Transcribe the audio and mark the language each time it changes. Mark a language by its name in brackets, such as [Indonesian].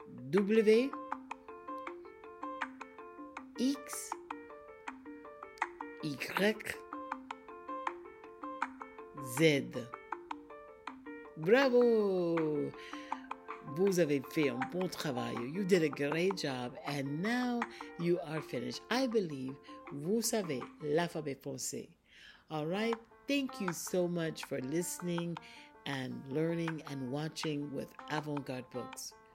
[French] W. X. Y. Z. Bravo! Vous avez fait un bon travail. [English] You did a great job. And now you are finished. I believe [French] vous savez l'alphabet français. [English] All right. Thank you so much for listening and learning and watching with Avant-Garde Books.